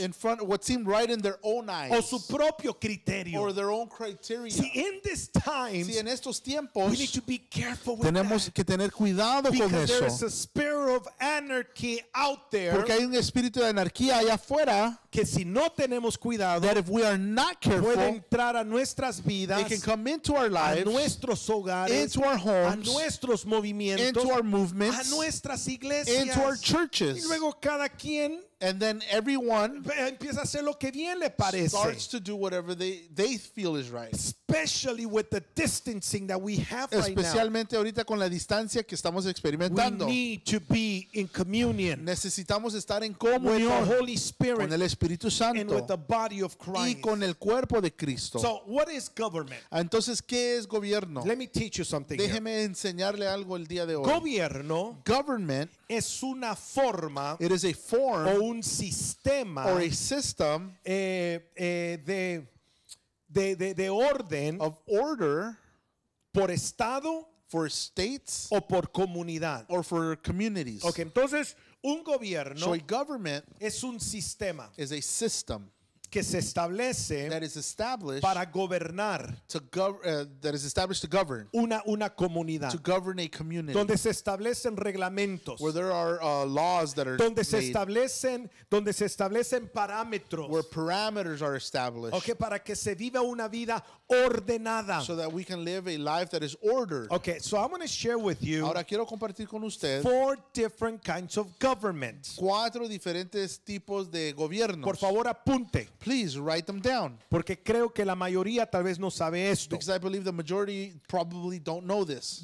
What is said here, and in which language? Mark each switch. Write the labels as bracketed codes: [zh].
[en] in front of what seemed right in their own eyes, [es] o su propio criterio, [en] or their own criteria. See, in this time, [es] en estos tiempos, [en] we need to be careful with [es] tenemos [en] that, [es] que tener cuidado con eso, [en] because there is a spirit of anarchy out there, [es] porque hay un espíritu de anarquía allá afuera, que si no tenemos cuidado, [en] that if we are not careful, [es] puede entrar a nuestras vidas, [en] it can come into our lives, [es] a nuestros hogares, [en] into our homes, [es] a nuestros movimientos, [en] into our movements, [es] a nuestras iglesias, [en] into our churches. [es] Y luego cada quien, [en] And then everyone [es] empieza a hacer lo que bien le parece. [en] Starts to do whatever they feel is right. Especially with the distancing that we have right now. [es] Especialmente ahorita con la distancia que estamos experimentando. [en] We need to be in communion. [es] Necesitamos estar en comunión [en] with the Holy Spirit, [es] con el Espíritu Santo, [en] and with the body of Christ. [es] Y con el cuerpo de Cristo. [en] So what is government? [es] Entonces, ¿qué es gobierno? [en] Let me teach you something. [es] Déjeme enseñarle algo el día de hoy. Gobierno. [en] Government. [es] Es una forma. [en] It is a form. [es] O un sistema. [en] Or a system. [es] De orden. [en] Of order. [es] Por estado. [en] For states. [es] O por comunidad. [en] Or for communities. [es] Okay, entonces, un gobierno. [en] So a government. [es] Es un sistema. [en] Is a system. [es] Que se establece. [en] That is established. [es] Para gobernar. [en] That is established to govern. [es] Una comunidad. [en] To govern a community. [es] Donde se establecen reglamentos. [en] Where there are laws that are [es] donde [en] made. [es] Donde se establecen parámetros. [en] Where parameters are established. [es] Okay, para que se viva una vida ordenada. [en] So that we can live a life that is ordered. Okay, so I'm going to share with you. [es] Ahora quiero compartir con usted. [en] Four different kinds of government. [es] Cuatro diferentes tipos de gobierno. Por favor, apunte. [en] Please write them down. [es] Porque creo que la mayoría tal vez no sabe esto. [en] Because I believe the majority probably don't know this.